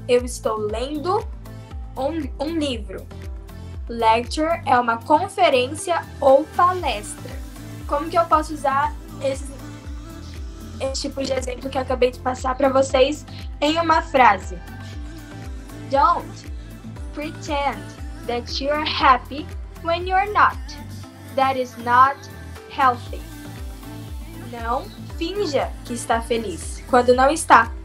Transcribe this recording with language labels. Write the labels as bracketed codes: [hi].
[pt] Eu estou lendo um livro. Lecture é uma conferência ou palestra. Como que eu posso usar esse tipo de exemplo que eu acabei de passar para vocês em uma frase? [en] Don't pretend that you're happy when you're not. That is not healthy. [pt] Não finja que está feliz quando não está.